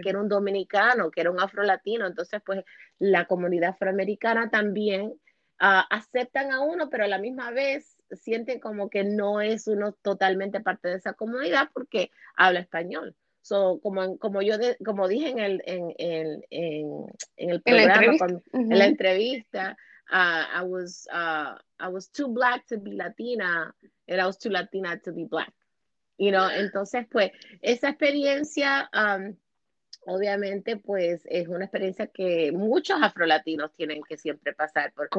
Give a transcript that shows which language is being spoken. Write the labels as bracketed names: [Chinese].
[Spanish] que era un dominicano, que era un afrolatino, entonces pues la comunidad afroamericana también aceptan a uno, pero a la misma vez sienten como que no es uno totalmente parte de esa comunidad porque habla español. So, como dije en el En la programa, entrevista. cuando, en la entrevista, [English] I was too black to be Latina, and I was too Latina to be black. You know? [Spanish] Entonces, pues, esa experiencia, obviamente, pues, es una experiencia que muchos afrolatinos tienen que siempre pasar cuando aquí